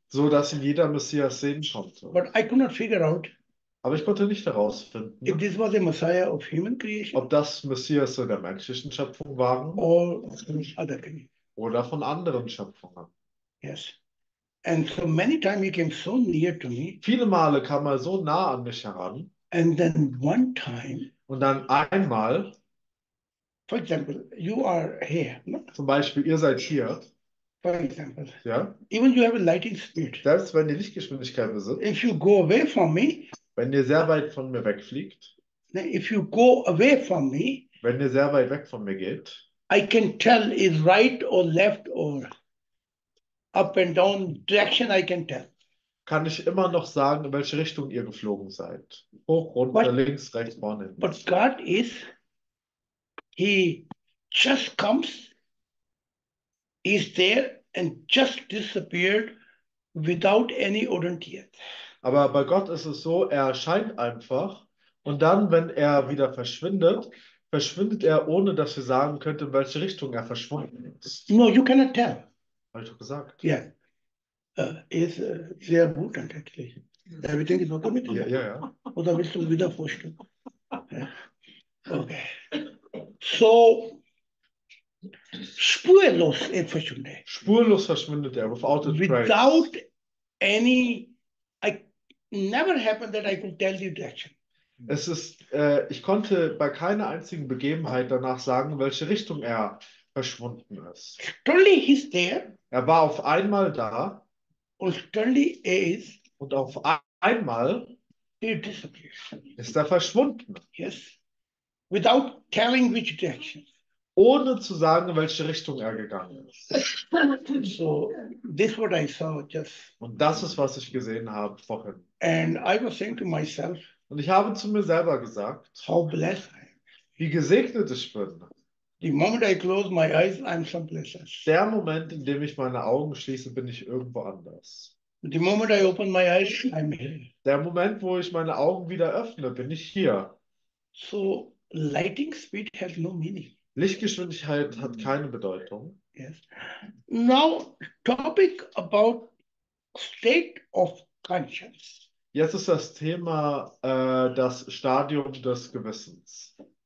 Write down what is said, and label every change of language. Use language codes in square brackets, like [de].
[de] so dass ihn jeder Messias sehen konnte. [en] But I could not figure out [de] Aber ich konnte nicht herausfinden, [en] this was a Messiah of human creation [de] ob das Messias in der menschlichen Schöpfung waren [en] or other creation. [de] oder von anderen Schöpfungen. [en] Yes. And so many times he came so near to me. [de] Viele Male kam er so nah an mich heran [en] And then one time, [de] und dann einmal. [en] for example, you are here, no? [de] Zum Beispiel, ihr seid hier. [en] For example, [de] Ja. [en] even you have a lighting speed. [de] Selbst wenn ihr Lichtgeschwindigkeit [en] If [de] besitzt, [en] you go away from me, [de] wenn ihr sehr weit von mir wegfliegt, [en] if you go away from me, [de] wenn ihr sehr weit weg von mir geht, [en] I can tell is right or left or up and down direction I can tell. [de] kann ich immer noch sagen, in welche Richtung ihr geflogen seid. Hoch, runter, [en] But [de] links, rechts, vorne, hinten. [en] God is, he just comes, is there and just disappeared without any audience. [de] Aber bei Gott ist es so, er erscheint einfach und dann, wenn er wieder verschwindet, verschwindet er, ohne dass wir sagen könnten, in welche Richtung er verschwunden ist. [en] No, you cannot tell. [de] Habe ich doch gesagt. Yeah. Ist sehr gut, tatsächlich. [en] Everything is okay [de] mit Ja, dir. ja, ja. Oder willst du wieder vorstellen? Ja. Okay. So, spurlos in Verschwunde. Spurlos verschwindet er, [en] without a trace. Without any, I never happened that I could tell you direction. [de] Es ist, ich konnte bei keiner einzigen Begebenheit danach sagen, in welche Richtung er verschwunden ist. [en] He's there. [de] Er war auf einmal da [en] Und Stanley is [de] und auf einmal [en] he disappears. [de] ist er verschwunden. [en] Yes. Without telling which direction. [de] Ohne zu sagen, in welche Richtung er gegangen ist. [en] So, this is what I saw just. [de] Und das ist, was ich gesehen habe vorhin. [en] And I was saying to myself, [de] Und ich habe zu mir selber gesagt, [en] how blessed I am. [de] wie gesegnet ich bin. [en] The moment I close my eyes, I'm someplace else. [de] Der Moment, in dem ich meine Augen schließe, bin ich irgendwo anders. [en] The moment I open my eyes, I'm here. [de] Der Moment, wo ich meine Augen wieder öffne, bin ich hier. [en] So, lighting speed has no meaning. [de] Lichtgeschwindigkeit hat keine Bedeutung. [en] Yes. Now, topic about state of conscience. [de] Jetzt ist das Thema das Stadium des Gewissens.